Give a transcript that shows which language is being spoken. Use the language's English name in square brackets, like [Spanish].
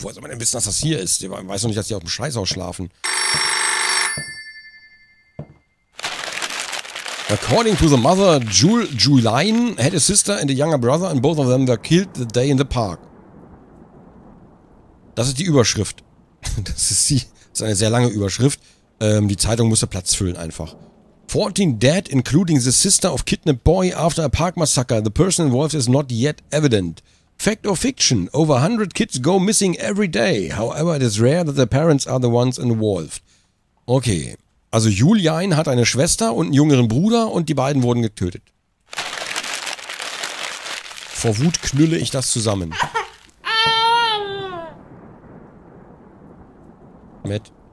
[German] Woher soll man denn wissen, dass das hier ist? Ich weiß noch nicht, dass die auf dem Scheißhaus schlafen. [English] According to the mother, Juline had a sister and a younger brother and both of them were killed the day in the park. [German] Das ist die Überschrift. Das ist eine sehr lange Überschrift. Die Zeitung musste Platz füllen einfach. [English] 14 dead, including the sister of kidnapped boy after a park massacre. The person involved is not yet evident. Fact or fiction, over 100 kids go missing every day. However, it is rare that the parents are the ones involved. [German] Okay, also Julian hat eine Schwester und einen jüngeren Bruder und die beiden wurden getötet. Vor Wut knülle ich das zusammen. Matt.